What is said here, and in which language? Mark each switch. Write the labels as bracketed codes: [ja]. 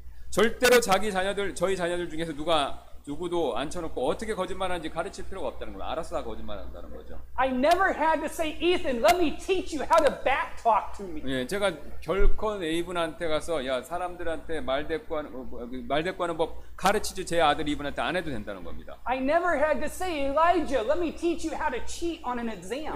[ko] 절대로 자기 자녀들 저희 자녀들 중에서 누구도 앉혀놓고 어떻게 거짓말하는지 가르칠 필요가 없다는 걸 알아서 다 거짓말한다는 거죠. [en] I never had to say, Ethan, let me teach you how to backtalk to me. [ko] 예, 제가 결코 에이븐한테 가서 야 사람들한테 말 대꾸하는 법 가르치지 제 아들 이븐한테 안 해도 된다는 겁니다. [en] I never had to say, Elijah, let me teach you how to cheat on an exam.